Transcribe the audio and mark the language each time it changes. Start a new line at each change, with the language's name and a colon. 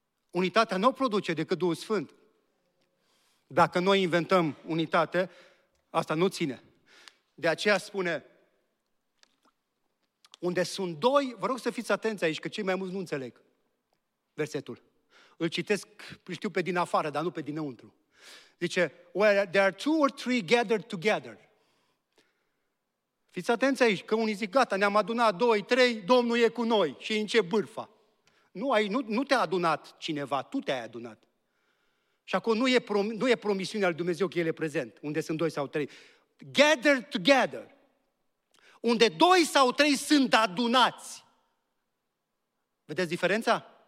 Romanian: Unitatea nu o produce decât Duhul Sfânt. Dacă noi inventăm unitate, asta nu ține. De aceea spune, unde sunt doi, vă rog să fiți atenți aici, că cei mai mulți nu înțeleg versetul. Îl citesc, știu, pe din afară, dar nu pe dinăuntru.
English: Zice, where there are two or three gathered together.
Romanian: Fiți atenți aici, că unii zic, gata, ne-am adunat doi, trei, Domnul e cu noi și începe bârfa. Nu, nu te-a adunat cineva, tu te-ai adunat. Și acolo nu e promisiunea lui Dumnezeu că El e prezent, unde sunt doi sau trei.
English: Gathered together.
Romanian: Unde doi sau trei sunt adunați. Vedeți diferența?